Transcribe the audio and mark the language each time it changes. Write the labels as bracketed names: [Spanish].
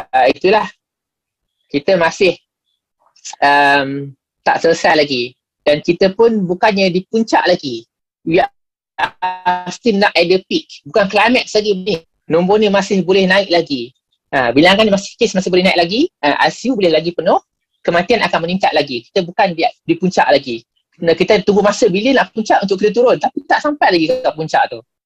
[Malay] Itulah kita masih tak selesai lagi dan kita pun bukannya di puncak lagi. [English] We are still not at the peak. [Malay] Bukan climax lagi ni. Nombor ni masih boleh naik lagi. Bilangan masih kes masih boleh naik lagi, ICU boleh lagi penuh, kematian akan meningkat lagi. Kita bukan di puncak lagi. Kita tunggu masa bila nak puncak untuk kita turun tapi tak sampai lagi ke puncak tu.